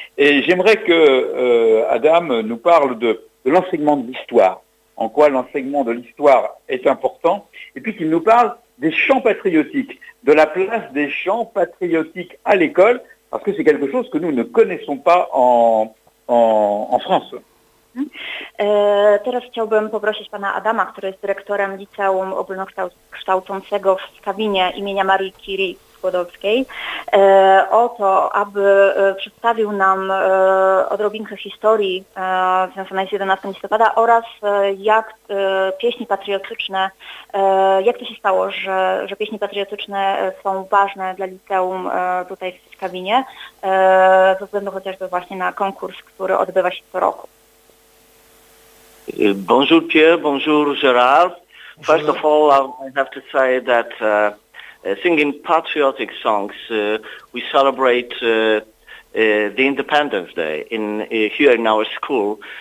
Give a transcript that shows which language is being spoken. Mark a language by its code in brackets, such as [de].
[fr] Et j'aimerais que Adam nous parle de l'enseignement de l'histoire, en quoi l'enseignement de l'histoire est important, et puis qu'il nous parle des chants patriotiques, de la place des chants patriotiques à l'école, parce que c'est quelque chose que nous ne connaissons pas en France. [pl] Teraz chciałbym poprosić pana Adama, który jest dyrektorem liceum ogólnokształcącego w Skawinie imienia Marii Curie Skłodowskiej, o to, aby przedstawił nam odrobinkę historii związanej z 11 listopada oraz jak pieśni patriotyczne, jak to się stało, że pieśni patriotyczne są ważne dla liceum tutaj w Skawinie, ze względu chociażby właśnie na konkurs, który odbywa się co roku. [fr] Bonjour Pierre, bonjour Gérard. [en] First of all, I have to say that singing patriotic songs, we celebrate the Independence Day here in our school.